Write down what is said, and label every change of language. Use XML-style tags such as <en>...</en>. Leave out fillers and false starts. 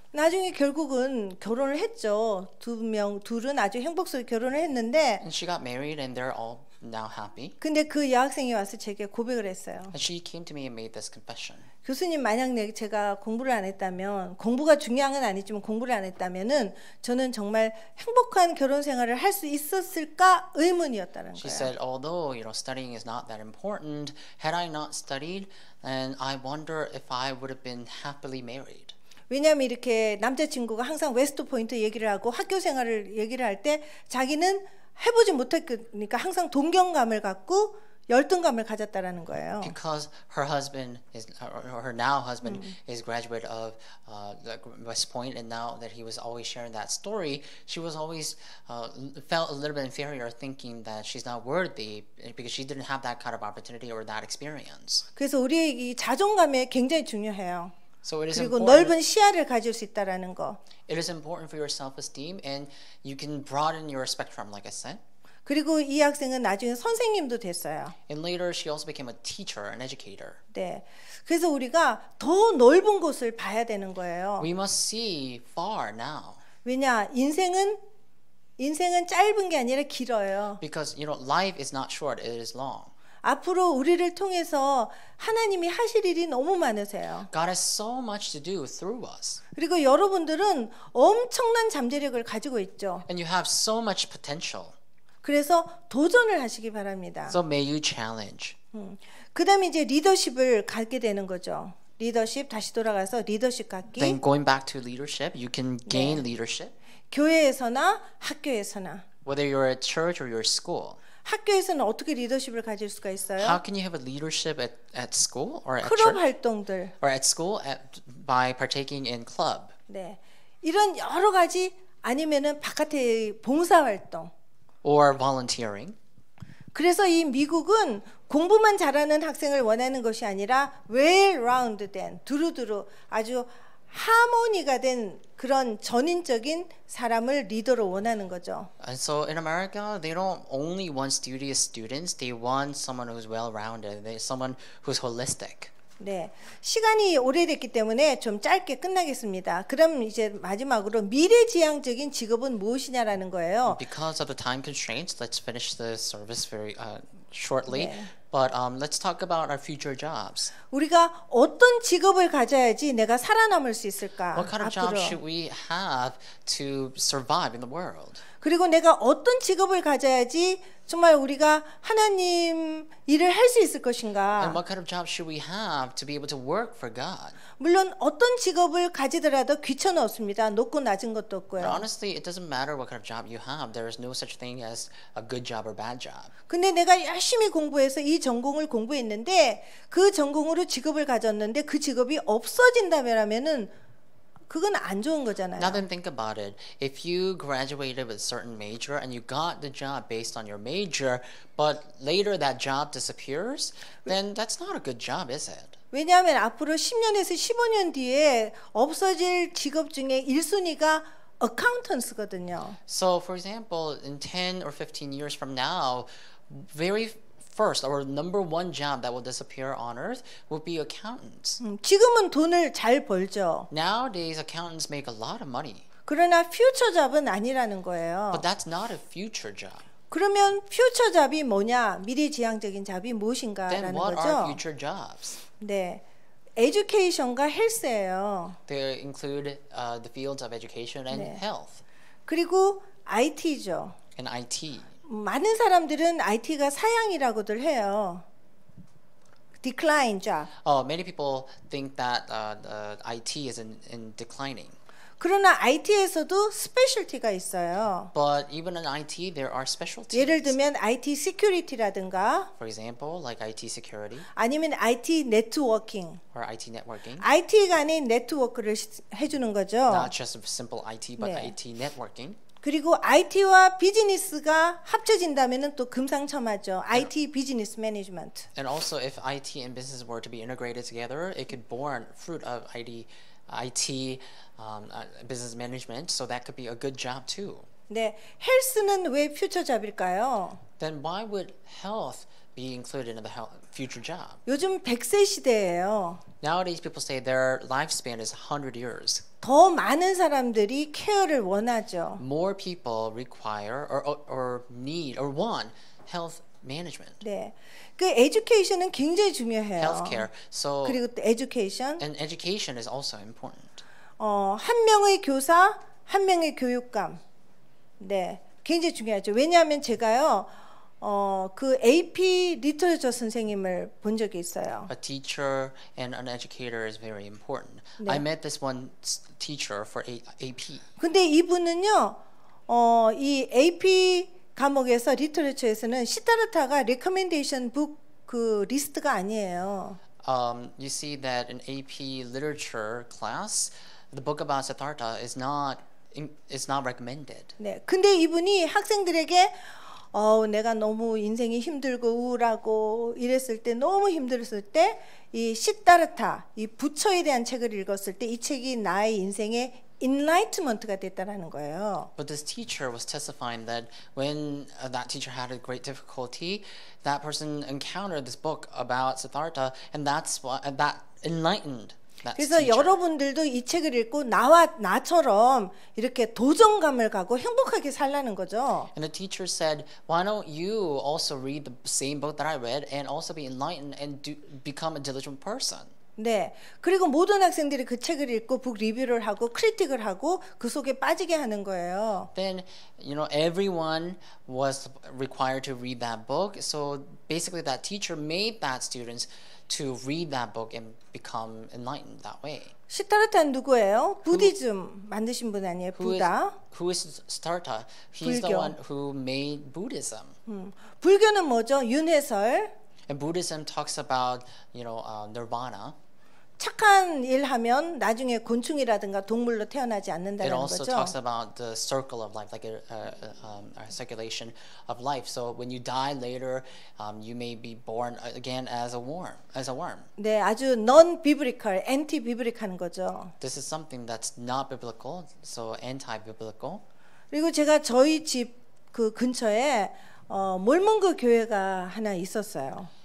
<ko>나중에 결국은 결혼을 했죠. 둘은 아주 행복스럽게 결혼을 했는데.</ko> <en>And she got married and they're all now happy.</en> <ko>근데 그 여학생이 와서 제게 고백을 했어요.</ko> <en>And she came to me and made this confession.</en> <ko>교수님, 만약 제가 공부를 안 했다면, 공부가 중요한 건 아니지만 공부를 안 했다면은 저는 정말 행복한 결혼 생활을 할 수 있었을까 의문이었다는 거예요.</ko> <en>She said, although you know studying is not that important, had I not studied, then I wonder if I would have been happily married.</en> <ko>왜냐면 이렇게 남자친구가 항상 웨스트 포인트 얘기를 하고 학교 생활을 얘기를 할 때 자기는 해보지 못했으니까 항상 동경감을 갖고 열등감을 가졌다라는 거예요.</ko> <en>Because her husband is her now husband is graduate of West Point, and now that he was always sharing that story, she was always felt a little bit inferior, thinking that she's not worthy because she didn't have that kind of opportunity or that experience.</en> <ko>그래서 우리 이 자존감에 굉장히 중요해요.</ko> <en>So it is</en> <ko>그리고</ko> <en>important.</en> <ko>넓은 시야를 가질 수 있다라는 거.</ko> <en>It is important for your self-esteem, and you can broaden your spectrum, like I said.</en> <ko>그리고 이 학생은 나중에 선생님도 됐어요.</ko> <en>And later, she also became a teacher, an educator.</en> <ko>네, 그래서 우리가 더 넓은 곳을 봐야 되는 거예요.</ko> <en>We must see far now.</en> <ko>왜냐, 인생은 짧은 게 아니라 길어요.</ko> <en>Because you know, life is not short; it is long.</en> <ko>앞으로 우리를 통해서 하나님이 하실 일이 너무 많으세요.</ko> <en>God has so much to do through us.</en> <ko>그리고 여러분들은 엄청난 잠재력을 가지고 있죠.</ko> <en>And you have so much potential.</en> <ko>그래서 도전을 하시기 바랍니다.</ko> <en>So may you challenge.</en> <ko>그다음에 이제 리더십을 갖게 되는 거죠. 리더십 다시 돌아가서 리더십 갖기.</ko> <en>Then going back to leadership, you can gain</en> <ko>네.</ko> <en>leadership.</en> <ko>교회에서나 학교에서나.</ko> <en>Whether you're at church or your school.</en> <ko>학교에서는 어떻게 리더십을 가질 수가 있어요?</ko> <en>How can you have a leadership at school or at</en> <ko>클럽</ko> <en>church?</en> <ko>활동들.</ko> <en>Or at school by partaking in club.</en> <ko>네, 이런 여러 가지 아니면은 바깥의 봉사 활동.</ko> <en>Or volunteering.</en> <ko>그래서 이 미국은 공부만 잘하는 학생을 원하는 것이 아니라 well-rounded된 두루두루 아주 하모니가 된 그런 전인적인 사람을 리더로 원하는 거죠.</ko> <en>And so in America, they don't only want studious students. They want someone who's well-rounded. They someone who's holistic.</en> <ko>네, 시간이 오래됐기 때문에 좀 짧게 끝나겠습니다. 그럼 이제 마지막으로 미래지향적인 직업은 무엇이냐라는 거예요.</ko> <en>Because of the time constraints, let's finish the service very shortly.</en> <ko>네.</ko> <en>But let's talk about our future jobs.</en> <ko>우리가 어떤 직업을 가져야지 내가 살아남을 수 있을까?</ko> <en>What kind of</en> <ko>앞으로.</ko> <en>job should we have to survive in the world?</en> <ko>그리고 내가 어떤 직업을 가져야지 정말 우리가 하나님 일을 할 수 있을 것인가?</ko> <en>And what kind of job should we have to be able to work for God?</en> <ko>물론 어떤 직업을 가지더라도 귀천은 없습니다. 높고 낮은 것도 없고요.</ko> <en>But honestly, it doesn't matter what kind of job you have. There is no such thing as a good job or bad job.</en> <ko>근데 내가 열심히 공부해서 이 전공을 공부했는데 그 전공으로 직업을 가졌는데 그 직업이 없어진다면은 그건 안 좋은 거잖아요.</ko> <en>Now then think about it. If you graduated with a certain major and you got the job based on your major, but later that job disappears, then that's not a good job, is it?</en> <ko>왜냐하면 앞으로 10년에서 15년 뒤에 없어질 직업 중에 1순위가 accountants거든요.</ko> <en>So for example, in 10 or 15 years from now, very first, our number one job that will disappear on earth would be accountants.</en> <ko>지금은 돈을 잘 벌죠.</ko> <en>Nowadays, accountants make a lot of money.</en> <ko>그러나 future job은 아니라는 거예요.</ko> <en>But that's not a future job.</en> <ko>그러면 future job이 뭐냐? 미래지향적인 job이 무엇인가라는 거죠.</ko> <en>Then what are future jobs?</en> <ko>네, education과 health예요.</ko> <en>They include the fields of education and</en> <ko>네.</ko> <en>health.</en> <ko>그리고 IT죠.</ko> <en>And IT.</en> <ko>많은 사람들은 IT가 사양이라고들 해요.</ko> <en>Decline job. Many people think that IT is in declining.</en> <ko>그러나 IT에서도 스페셜티가 있어요.</ko> <en>But even in IT, there are specialties.</en> <ko>예를 들면 IT 시큐리티라든가.</ko> <en>For example, like IT security.</en> <ko>아니면 IT 네트워킹.</ko> <en>Or IT networking.</en> <ko>IT 간의 네트워크를 해주는 거죠.</ko> <en>Not just simple IT, but</en> <ko>네.</ko> <en>IT networking.</en> <ko>그리고 IT와 비즈니스가 합쳐진다면은 또 금상첨화죠.</ko> <en>IT business management. And also if IT and business were to be integrated together, it could born fruit of IT business management, so that could be a good job too.</en> <ko>네. 헬스는 왜 퓨처 잡일까요?</ko> <en>Then why would health be included in the future job?</en> <ko>요즘 100세 시대예요.</ko> <en>Nowadays people say their lifespan is 100 years.</en> <ko>더 많은 사람들이 케어를 원하죠.</ko> <en>More people require or need or want health management.</en> <ko>네. 그 education은 굉장히 중요해요.</ko> <en>Healthcare. So</en> <ko>그리고 또 education.</ko> <en>And education is also important.</en> <ko>한 명의 교사, 한 명의 교육감. 네. 굉장히 중요하죠. 왜냐하면 제가요. 그 AP 리터처 선생님을 본 적이 있어요.</ko> <en>A teacher and an educator is very important.</en> <ko>네.</ko> <en>I met this one teacher for AP.</en> <ko>근데 이분은요, 이 AP 과목에서 리터처에서는 시타르타가 recommendation book 그 리스트가 아니에요.</ko> <en>You see that in AP literature class, the book about Siddhartha is not recommended.</en> <ko>네, 근데 이분이 학생들에게 어우, 내가 너무 인생이 힘들고 우울하고 이랬을 때 너무 힘들었을 때 이 시다르타 이 부처에 대한 책을 읽었을 때 이 책이 나의 인생에 enlightenment가 됐다라는 거예요.</ko> <en>But this teacher was testifying that when that teacher had a great difficulty, that person encountered this book about Siddhartha, and that's what that enlightened. That's</en> <ko>그래서 teacher. 여러분들도 이 책을 읽고 나와 나처럼 이렇게 도전감을 갖고 행복하게 살라는 거죠.</ko> <en>And the teacher said, "Why don't you also read the same book that I read and also be enlightened and do, become a diligent person?"</en> <ko>네. 그리고 모든 학생들이 그 책을 읽고 북 리뷰를 하고 크리틱을 하고 그 속에 빠지게 하는 거예요.</ko> <en>Then, you know, everyone was required to read that book. So basically that teacher made that students to read that book and become enlightened that way.</en> <ko>시타르타는 누구예요? 부디즘 만드신 분 아니에요? 부다.</ko> <en>Who is Siddhartha? He's 불교. The one who made Buddhism.</en> <ko>불교는 뭐죠? 윤회설.</ko> <en>And Buddhism talks about, you know, nirvana.</en> <ko>착한 일 하면 나중에 곤충이라든가 동물로 태어나지 않는다는 거죠.</ko> <en>It also</en> <ko>거죠?</ko> <en>talks about the circle of life, like a circulation of life. So when you die later, you may be born again as a worm. As a worm.</en> <ko>네, 아주 non-biblical, anti-biblical 거죠.</ko> <en>This is something that's not biblical, so anti-biblical.</en> <ko>그리고 제가 저희 집 그 근처에 몰몬교 교회가 하나 있었어요.</ko>